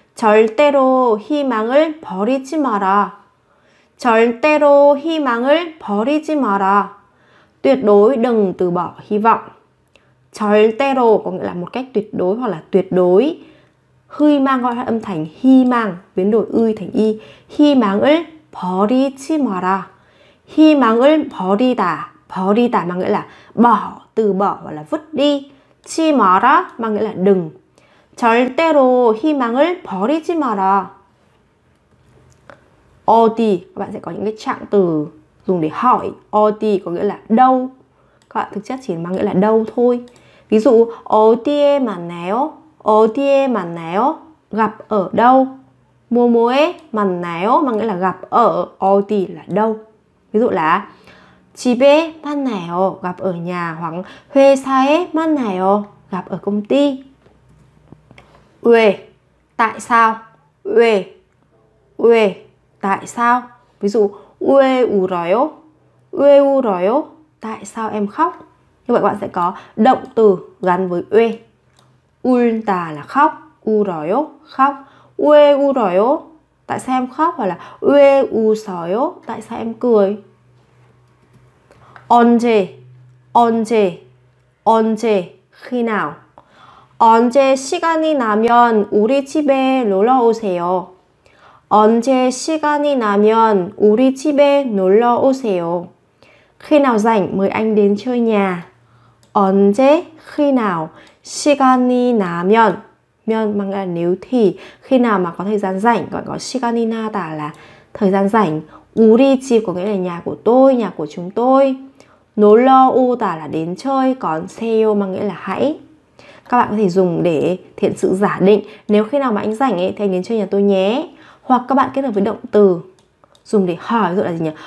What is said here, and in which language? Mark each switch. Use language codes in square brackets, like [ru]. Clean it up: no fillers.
[ko] 절대로 희망을 버리지 마라. 절대로 희망을 버리지 마라. [vi] Tuyệt đối đừng từ bỏ hy vọng. 절대로 có nghĩa là một cách tuyệt đối hoặc là tuyệt đối. Hy mang gọi là âm thành hy mang, biến đổi ư thành y. Hy mang ư, [ko] 버리지 마라. [vi] Hy mang ư, 버리다. 버리다 mà nghĩa là bỏ, từ bỏ hoặc là vứt đi. Chi 마라 mà nghĩa là đừng. [ko] 절대로 희망을 버리지 마라. [vi] Oti, các bạn sẽ có những cái trạng từ dùng để hỏi. Oti có nghĩa là đâu. Các bạn thực chất chỉ mang nghĩa là đâu thôi. Ví dụ, [ko] 어디에 만나요? 어디에 만나요? [vi] Gặp ở đâu? [ko] 뭐뭐에 만나요? [vi] Mang nghĩa là gặp ở, 어디 là đâu. Ví dụ là [ko] 집에 만나요? [vi] Gặp ở nhà. [ko] Hoặc 회사에 만나요? [vi] Gặp ở công ty. 왜? Tại sao? 왜? 왜? Tại sao? Ví dụ, [ko] 왜 울어요? 왜 울어요? [vi] Tại sao em khóc? Như vậy các bạn sẽ có động từ gắn với ue. Ulta là khóc. Uroyo, khóc. Ue uroyo, tại sao em khóc? Hoặc là ue usoyo, tại sao em cười? Onje, onje, onje, khi nào? [ko] Onje shigani namyeon uri chibe nolo oseyo. [vi] Khi nào rảnh mời anh đến chơi nhà. [ko] 언제 khi nào 시간이 나면 [vi] 면 mang là nếu thì khi nào mà có thời gian rảnh còn có 시간이 나다 là thời gian rảnh 우리 집 có nghĩa là nhà của tôi nhà của chúng tôi 놀러 오다 là đến chơi còn 세요 mang nghĩa là hãy các bạn có thể dùng để thiện sự giả định nếu khi nào mà anh rảnh ấy thì anh đến chơi nhà tôi nhé hoặc các bạn kết hợp với động từ dùng để hỏi ví dụ là gì nhỉ